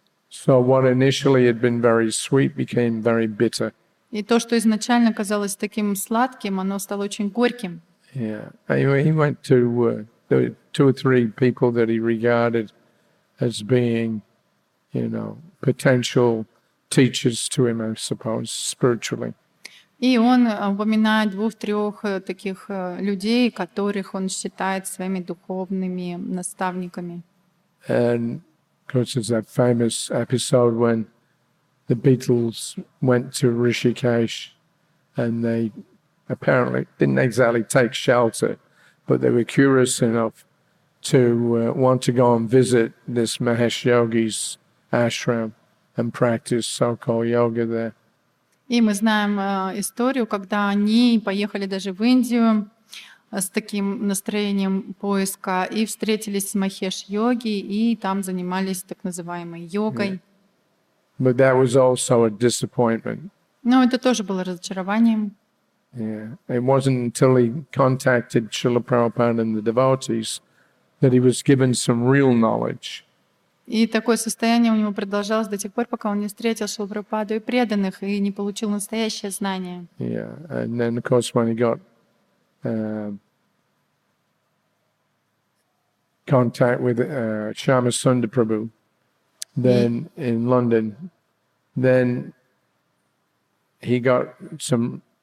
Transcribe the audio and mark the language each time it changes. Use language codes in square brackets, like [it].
[en] So what initially had been very sweet became very bitter. [ru] И то, что изначально казалось таким сладким, оно стало очень горьким. [en] Yeah. He went to two or three people that he regarded as being, you know, potential teachers to him, I suppose, spiritually. [ru] И он упоминает двух-трех таких людей, которых он считает своими духовными наставниками. [en] And of course, there's that famous episode when the Beatles went to Rishikesh, and they apparently didn't exactly take shelter, but they were curious enough to want to go and visit this Mahesh Yogi's ashram and practice so-called yoga there. [ru] И мы знаем историю, когда они поехали даже в Индию с таким настроением поиска и встретились с Махеш Йоги и там занимались так называемой йогой. [en] Yeah. But that was also a disappointment. [ru] Но это тоже было разочарованием. [en] Yeah. It wasn't until he contacted Srila Prabhupada and the devotees that he was given some real knowledge. [ru] И такое состояние у него продолжалось до тех пор, пока он не встретил Шрилу Прабхупаду и преданных и не получил настоящее знание. [en] Yeah. And then, of course, when he got contact with Shyama Sundar Prabhu, then in London, then he got some.